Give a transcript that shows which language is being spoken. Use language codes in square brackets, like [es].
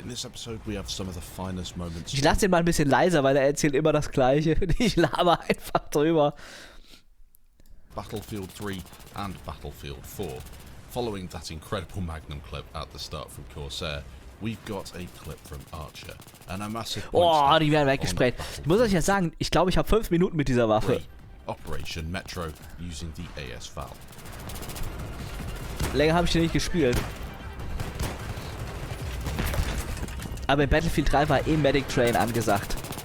[en] In this episode we have some of the finest moments. [de] Ich lasse ihn mal ein bisschen leiser, weil er erzählt immer das gleiche. Ich laber einfach drüber. Battlefield 3 and Battlefield 4. [en] Following that incredible Magnum clip at the start from Corsair, we've got a clip from Archer. And a massive point. [de] Oh, die werden weggesprayt. Ich muss euch ja sagen, ich glaube, ich habe 5 Minuten mit dieser Waffe. [en] Operation Metro using the AS-Val. [de] Länger habe ich hier nicht gespielt. Aber in Battlefield 3 war eh Medic Train angesagt.